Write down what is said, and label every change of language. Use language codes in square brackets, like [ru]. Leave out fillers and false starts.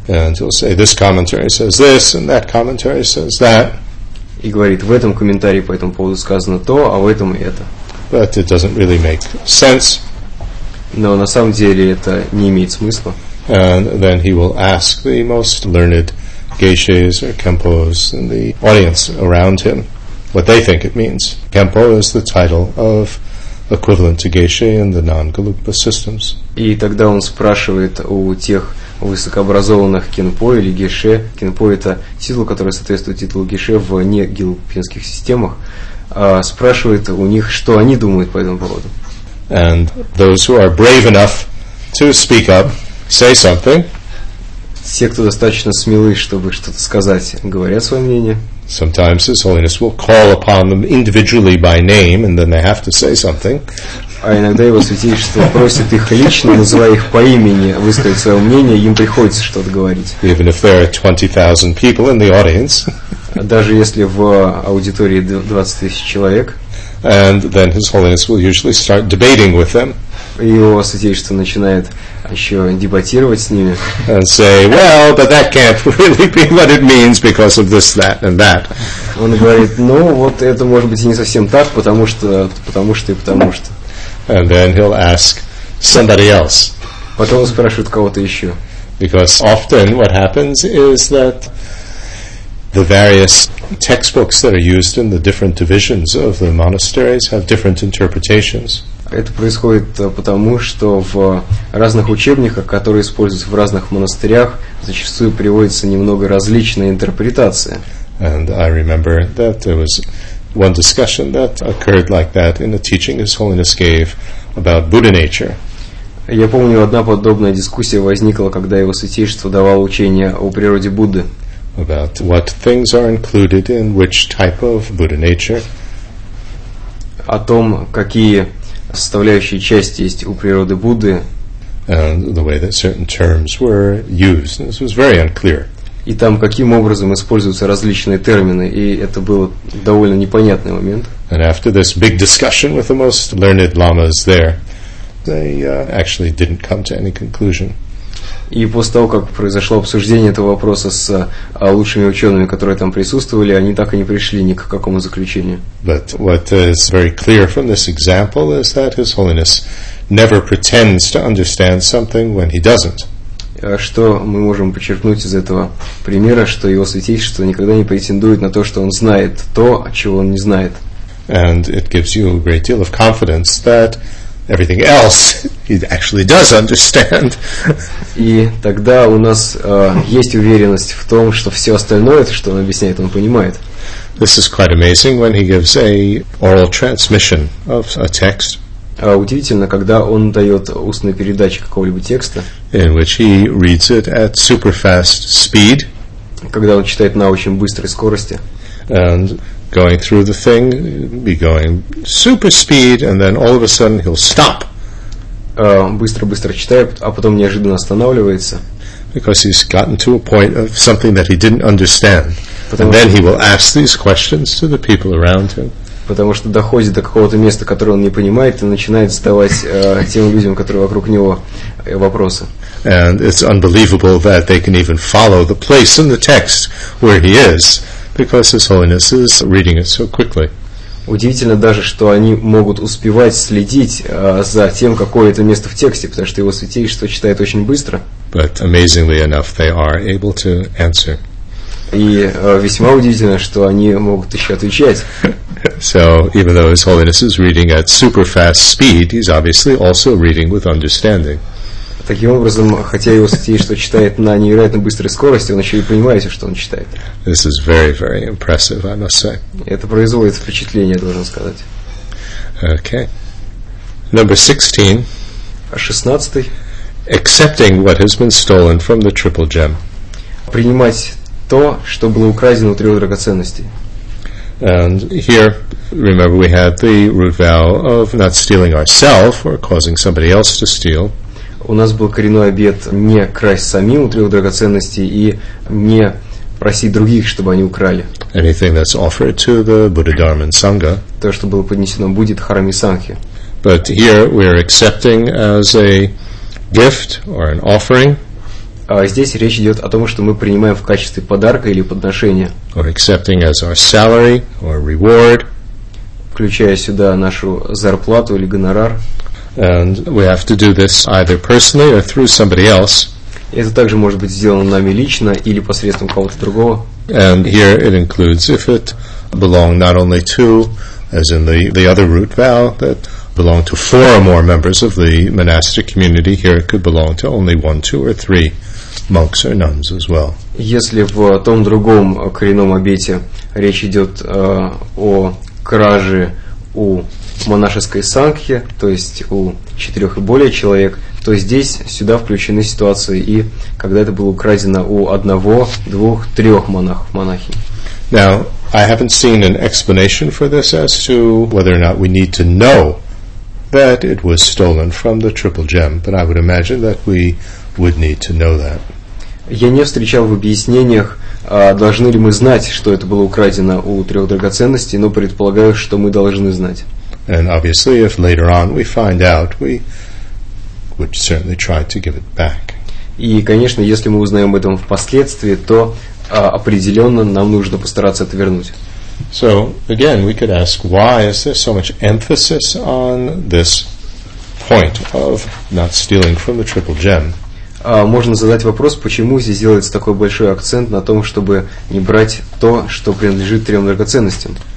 [en] And he'll say, this commentary says this, and that commentary says that. [ru] И говорит, в этом комментарии по этому поводу сказано то, а в этом и это. [en] But it doesn't really make sense. [ru] Но на самом деле это не имеет смысла. [en] And then he will ask the most learned geishas or kempos in the audience around him what they think it means. Kempo is the title of equivalent to geisha in the non-galupa systems. [ru] И тогда он спрашивает у тех высокообразованных кенпо или геше. Кенпо – это титул, который соответствует титулу геше в негилупинских системах. Спрашивает у них, что они думают по этому поводу. [en] And those who are brave enough to speak up, say something. [ru] Те, кто достаточно смелы, чтобы что-то сказать, говорят свое мнение. [en] Sometimes His Holiness will call upon them individually by name, and then they have to say something. [ru] А иногда Его Святейшество просит их лично, называя их по имени, высказать свое мнение, им приходится что-то говорить. [en] Even if there are 20,000 people in the audience. [ru] Даже если в аудитории 20 тысяч человек. [en] And then His Holiness will usually start debating with them. [ru] Его Святейшество начинает еще дебатировать с ними. [en] And say, well, but that can't really be what it means because of this, that, and that. [ru] Он говорит, ну вот это может быть и не совсем так, потому что и потому что. [en] And then he'll ask somebody else. [ru] Потом он спрашивает кого-то еще. [en] Because often what happens is that the various textbooks that are used in the different divisions of the monasteries have different interpretations. [ru] Это происходит потому, что в разных учебниках, которые используются в разных монастырях, зачастую приводится немного различная интерпретация. [en] And I remember that there was one discussion that occurred like that in a teaching His Holiness gave about Buddha nature. [ru] Я помню, одна подобная дискуссия возникла, когда Его Святейшество давало учение о природе Будды. [en] About what things are included in which type of Buddha nature. [ru] О том, какие составляющие части есть у природы Будды. [en] And the way that certain terms were used. This was very unclear. [ru] И там, каким образом используются различные термины, и это был довольно непонятный момент. [en] And after this big discussion with the most learned lamas there, they actually didn't come to any conclusion. [ru] И после того, как произошло обсуждение этого вопроса с лучшими учеными, которые там присутствовали, они так и не пришли ни к какому заключению. [en] But what is very clear from this example is that His Holiness never pretends to understand something when he doesn't. [ru] Что мы можем подчеркнуть из этого примера, что Его Святейшество никогда не претендует на то, что он знает то, чего он не знает. [en] And it gives you a great deal of confidence that everything else he actually does understand. [ru] И тогда у нас есть уверенность в том, что все остальное, что он объясняет, он понимает. [en] This is quite amazing when he gives a oral transmission of a text. [ru] Удивительно, когда он дает устную передачу какого-либо текста, [en] in which he reads it at super fast speed, [ru] когда он читает на очень быстрой скорости, [en] and going through the thing, be going super speed, and then all of a sudden he'll stop. [ru] Быстро-быстро читает, а потом неожиданно останавливается. [en] Because he's gotten to a point of something that he didn't understand. And then he will ask these questions to the people around him. [ru] потому что доходит до какого-то места, которое он не понимает, и начинает задавать тем людям, которые вокруг него, вопросы. [en] And it's unbelievable that they can even follow the place in the text where he is, because His Holiness is reading it so quickly. [ru] Удивительно даже, что они могут успевать следить за тем, какое это место в тексте, потому что его святейшество читает очень быстро. [en] But amazingly enough, they are able to answer. [ru] И весьма удивительно, что они могут еще отвечать. [en] So, even though His Holiness is reading at super fast speed, he's obviously also reading with understanding. [ru] Таким образом, хотя его святейшество читает на невероятно быстрой скорости, он еще и понимает, что он читает. [en] This is very, very impressive, I must say. [ru] Это производит впечатление, должен сказать. [en] Okay. Number 16. [ru] 16. [en] Accepting what has been stolen from the triple gem. [ru] Принимать то, что было украдено у трех драгоценностей. [en] And here, remember, we had the root vow of not stealing ourselves or causing somebody else to steal. [ru] У нас был коренной обет не красть самим у трех драгоценностей и не просить других, чтобы они украли. [en] Anything that's offered to the Buddha, Dharma, and Sangha. [ru] То, что было поднесено Будде, Дхарме и Сангхе. [en] But here we are accepting as a gift or an offering. [ru] Здесь речь идет о том, что мы принимаем в качестве подарка или подношения. [en] Or accepting as our salary or reward. [ru] Включая сюда нашу зарплату или гонорар. [en] And we have to do this either personally or through somebody else. [ru] Это также может быть сделано нами лично или посредством кого-то другого. [en] And here it includes if it belonged not only to, as in the other root vow, that belonged to four or more members of the monastic community, here it could belong to only one, two, or three monks or nuns as well. [ru] Если в том другом коренном обете речь идет о краже у монашеской сангхи, то есть у четырех и более человек, то здесь сюда включены ситуации и когда это было украдено у одного, двух, трех монахов, монахинь. [en] Now, I haven't seen an explanation for this as to whether or not we need to know that it was stolen from the triple gem, but I would imagine that we would need to know that. [ru] Я не встречал в объяснениях, должны ли мы знать, что это было украдено у трех драгоценностей, но предполагаю, что мы должны знать. [en] And obviously, if later on we find out, we would certainly try to give it back. [ru] И, конечно, если мы узнаем об этом впоследствии, то определенно нам нужно постараться это вернуть. [en] So, again, we could ask, why is there so much emphasis on this point of not stealing from the triple gem? [ru] Можно задать вопрос, почему здесь делается такой большой акцент на том, чтобы не брать то, что принадлежит трем драгоценностям?